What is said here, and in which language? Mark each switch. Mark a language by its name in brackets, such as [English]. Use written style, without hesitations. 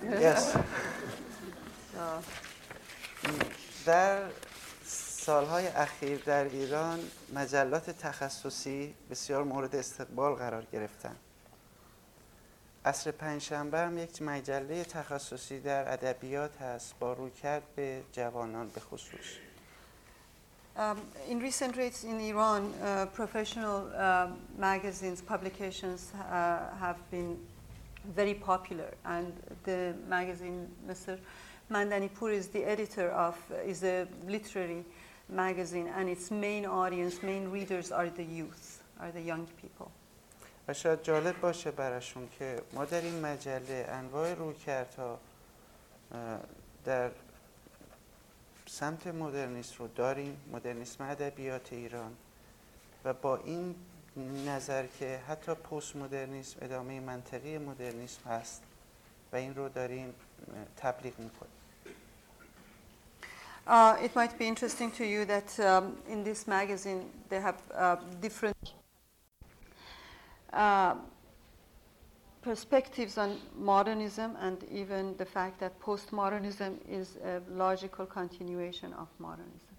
[English] yes [Persian] در سالهای اخیر در ایران مجلات تخصصی بسیار مورد استقبال قرار گرفتن عصر پنجشنبه هم یک مجله تخصصی در ادبیات هست با رویکرد به جوانان به خصوص [English] In recent rates in Iran professional magazines publications have been very popular and the magazine Mr. Mandanipour is the editor of is a literary magazine and its main audience main readers are the youth are the young people [Persian] و شاید جالب باشه براشون که ما در این مجله انواع رویکردها در سمت مدرنیسم رو داریم مدرنیسم ادبیات ایران و با این نظر که حتی پست مدرنیسم ادامه منطقی مدرنیسم هست و این رو داریم تبلیغ میکنیم [English] It might be interesting to you that in this magazine they have different perspectives on modernism and even the fact that postmodernism is a logical continuation of modernism.